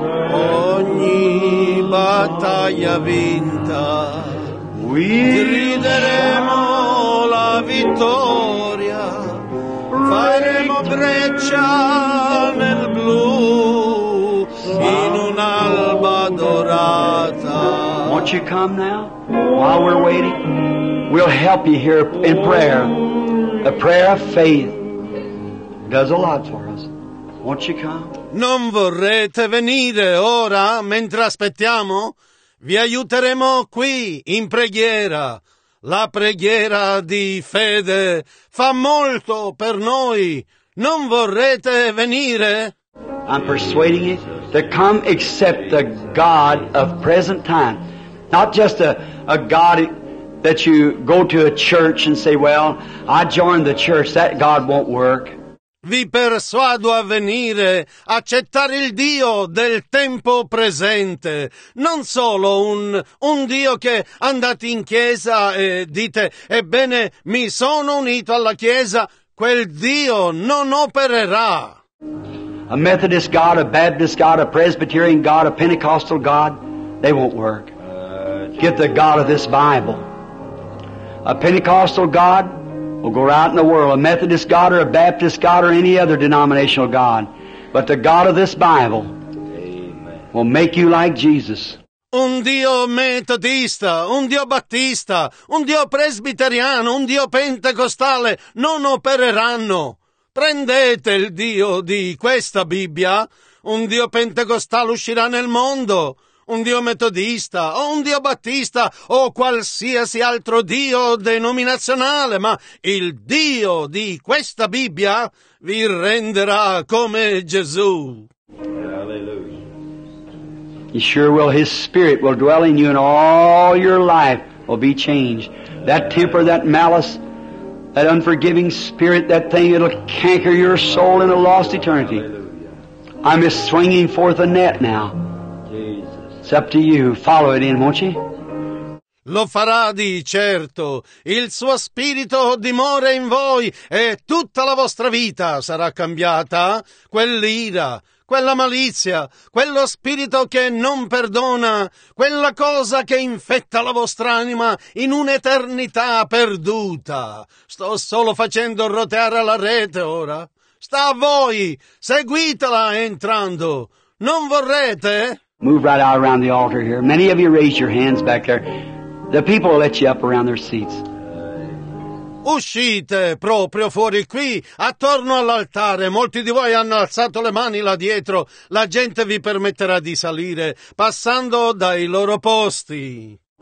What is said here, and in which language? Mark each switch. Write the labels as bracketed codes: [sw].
[it] Ogni battaglia vinta, [en] we [it] grideremo la vittoria. Faremo breccia nel blu, in un'alba dorata. [en] Won't you come now, while we're waiting? We'll help you here in prayer. A prayer of faith does a lot for us. Won't you come? [it] Non vorrete venire ora, mentre aspettiamo? Vi aiuteremo qui, in preghiera. La preghiera di fede fa molto per noi. Non vorrete venire? [en] I'm persuading you to come accept the God of present time. Not just a God that you go to a church and say, well, I joined the church, that God won't work. [it] Vi persuado a venire, accettare il Dio del tempo presente, non solo un Dio che andate in chiesa e dite, ebbene, mi sono unito alla chiesa, quel Dio non opererà. [en] A Methodist God, a Baptist God, a Presbyterian God, a Pentecostal God, they won't work. Get the God of this Bible. A Pentecostal God will go out in the world, a Methodist God or a Baptist God or any other denominational God. But the God of this Bible, amen, will make you like Jesus. [it] Un Dio metodista, un Dio battista, un Dio presbiteriano, un Dio pentecostale non opereranno. Prendete il Dio di questa Bibbia, un Dio pentecostale uscirà nel mondo. Un Dio metodista, o un Dio battista, o qualsiasi altro Dio denominazionale, ma il Dio di questa Bibbia vi renderà come Gesù. [en] Hallelujah. He sure will. His spirit will dwell in you, and all your life will be changed. That temper, that malice, that unforgiving spirit, that thing, it'll canker your soul in a lost eternity. I'm just swinging forth a net now. Jesus. It's up to you. Follow it in, won't you? [it] Lo farà di certo, il suo spirito dimora in voi e tutta la vostra vita sarà cambiata. Quell'ira, quella malizia, quello spirito che non perdona, quella cosa che infetta la vostra anima in un'eternità perduta. Sto solo facendo roteare la rete ora. Sta a voi, seguitela entrando. Non vorrete? [en] Move right out around the altar here. Many of you raise your hands back there. The people will let you up around their seats. [it] Uscite proprio fuori qui, attorno all'altare. Molti di voi hanno alzato le mani là dietro. La gente vi permetterà di salire, passando dai loro posti.